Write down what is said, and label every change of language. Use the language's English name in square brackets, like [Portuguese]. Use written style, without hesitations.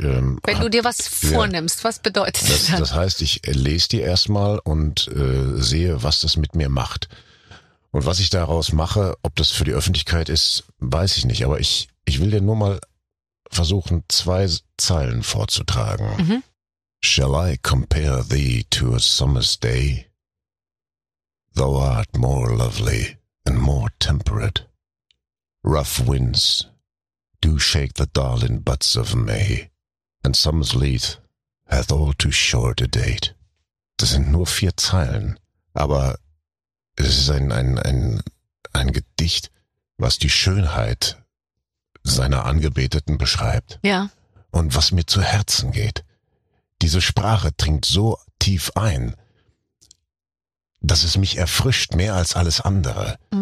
[German] Wenn du dir was vornimmst, ja, was bedeutet das? Das heißt, ich lese die erstmal und sehe, was das mit mir macht. Und was ich daraus mache, ob das für die Öffentlichkeit ist, weiß ich nicht. Aber ich will dir nur mal versuchen, zwei Zeilen vorzutragen. [English] Shall I compare thee to a summer's day? Thou art more lovely and more temperate. Rough winds do shake the darling buds of May, and summer's lease hath all too short a date. [German] Das sind nur vier Zeilen, aber es ist ein Gedicht, was die Schönheit seiner Angebeteten beschreibt. Ja. Und was mir zu Herzen geht. Diese Sprache dringt so tief ein, dass es mich erfrischt mehr als alles andere.